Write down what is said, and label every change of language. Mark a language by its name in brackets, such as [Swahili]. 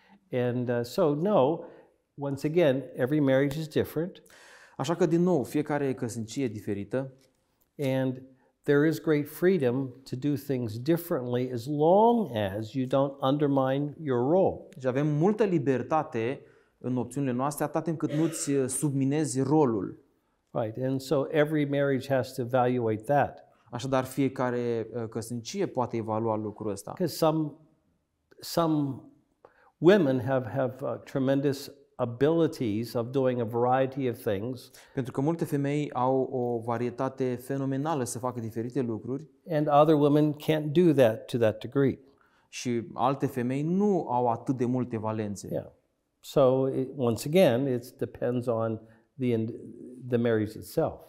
[English] And so no, once again, every marriage is different. [Romanian] Așa că din nou, fiecare căsnicie e diferită. [English] And there is great freedom to do things differently as long as you don't undermine your role. [Romanian] Deci avem multă libertate în opțiunile noastre atât timp cât nu-ți subminezi rolul. [English] Right, and so every marriage has to evaluate that. [Romanian] Așadar, fiecare căsnicie poate evalua lucrul ăsta. [English] Because some women have tremendous abilities of doing a variety of things. [Romanian] Pentru că multe femei au o varietate fenomenală să facă diferite lucruri. [English] And other women can't do that to that degree. [Romanian] Și alte femei nu au atât de multe valențe. [English] Yeah. So once again, it depends on the marriage itself.